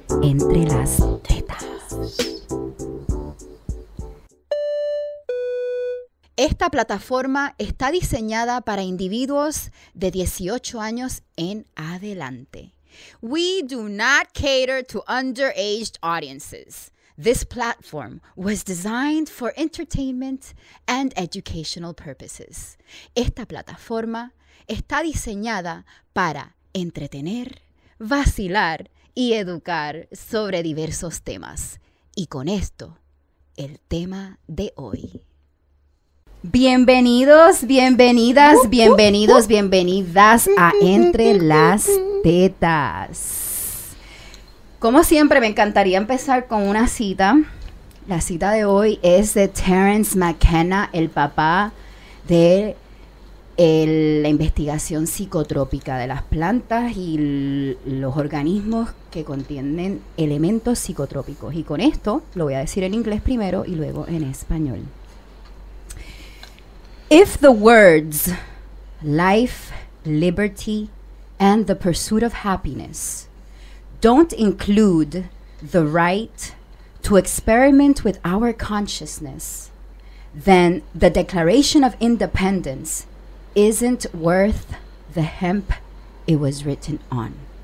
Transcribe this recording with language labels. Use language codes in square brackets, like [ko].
[es] Entre las Tetas. Esta plataforma está diseñada para individuos de 18 años en adelante. [en] We do not cater to underage audiences. This platform was designed for entertainment and educational purposes. [es] Esta plataforma está diseñada para entretener, vacilar y educar sobre diversos temas. Y con esto, el tema de hoy. Bienvenidos, bienvenidas, bienvenidos, bienvenidas a Entre las Tetas. Como siempre, me encantaría empezar con una cita. La cita de hoy es de Terence McKenna, el papá de la investigación psicotrópica de las plantas y los organismos que contienen elementos psicotrópicos. Y con esto, lo voy a decir en inglés primero y luego en español. [en] If the words life, liberty, and the pursuit of happiness don't include the right to experiment with our consciousness, then the Declaration of Independence isn't worth the hemp it was written on.